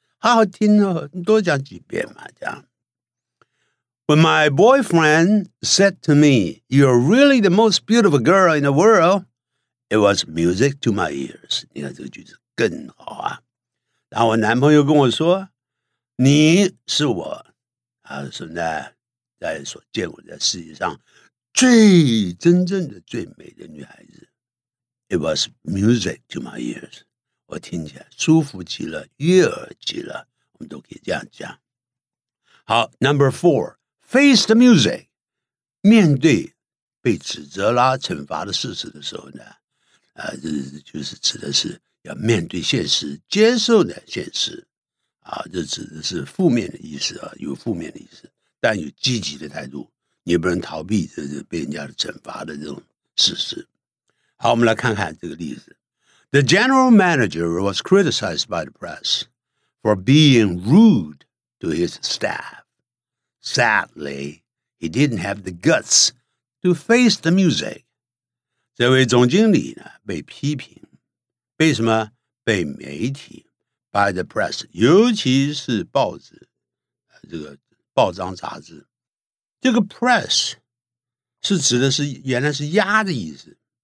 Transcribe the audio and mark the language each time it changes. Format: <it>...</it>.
<zh>好好听哦，你多讲几遍嘛，这样。</zh> <en>When my boyfriend said to me, you're really the most beautiful girl in the world, it was music to my ears.</en> <zh>你看这个句子更好啊。当我男朋友跟我说，你是我，他说呢，在所见过的世界上最真正的最美的女孩子。</zh> <en>It was music to my ears.</en> <zh>我听起来舒服极了，悦耳极了，我们都可以这样讲。好</zh> <en>,number four.</en> <zh>Face the music， 面对被指责啦、惩罚的事实的时候呢，就是指的是要面对现实、接受的现实，啊，这指的是负面的意思啊，有负面的意思，但有积极的态度，你不能逃避这是被人家惩罚的这种事实。好，我们来看看这个例子</zh> <en>：The general manager was criticized by the press for being rude to his staff. Sadly, he didn't have the guts to face the music.</en> <zh>这位总经理呢被批评，被什么？被媒体 ，</zh> <en>by the press，</en> <zh>尤其是报纸，这个报章杂志。这个 press 是指的是原来是压的意思。</zh>